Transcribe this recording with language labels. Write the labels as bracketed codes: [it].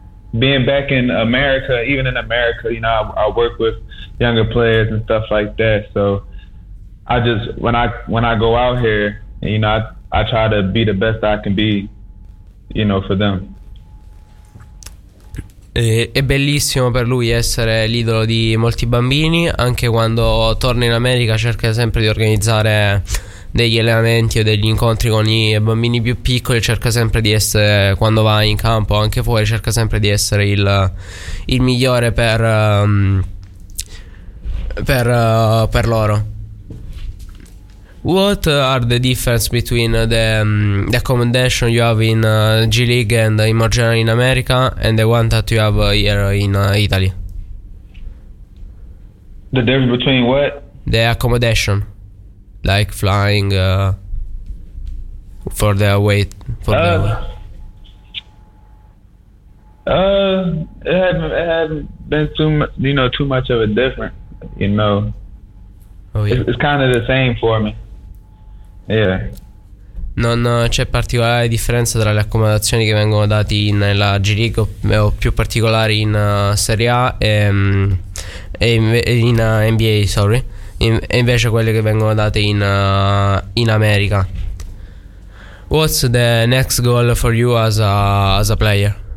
[en] Being back in America, even in America, you know, I work with younger players and stuff like that. So I just, when I go out here, you know, I try to be the best I can be, you know, for them. [it] È bellissimo per lui essere l'idolo di molti bambini, anche quando torna in America cerca sempre di organizzare degli allenamenti o degli incontri con i bambini più piccoli, cerca sempre di essere, quando va in campo anche fuori, cerca sempre di essere il migliore per loro. [en] What are the difference between the accommodation you have in G League and in more general in America and the one that you have here in Italy? The difference between what? The accommodation, like flying for the away. It hasn't been too much of a difference, you know. Oh, yeah. It's kind of the same for me. Yeah. [it] Non c'è particolare differenza tra le accomodazioni che vengono dati nella G League o più particolari in Serie A e in NBA, sorry, e invece quelle che vengono date in America. [en] What's the next goal for you as a player?